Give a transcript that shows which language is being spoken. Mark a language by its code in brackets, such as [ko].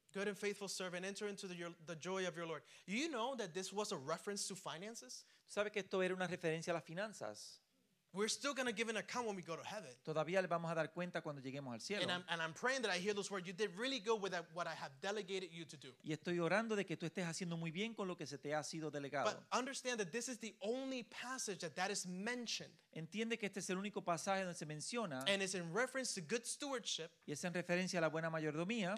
[en] Good and faithful servant, enter into the joy of your Lord. You know that this was a reference to finances? [es] ¿Sabe que esto era una referencia a las finanzas? [en] We're still going to give an account when we go to heaven. [es] Todavía le vamos a dar cuenta cuando lleguemos al cielo. [en] And I'm praying that I hear those words. You did really good with that, what I have delegated you to do. [es] Y estoy orando de que tú estés haciendo muy bien con lo que se te ha sido delegado. [en] But understand that this is the only passage that is mentioned. [es] Entiende que este es el único pasaje donde se menciona. [en] And it's in reference to good stewardship. [es] Y es en referencia a la buena mayordomía.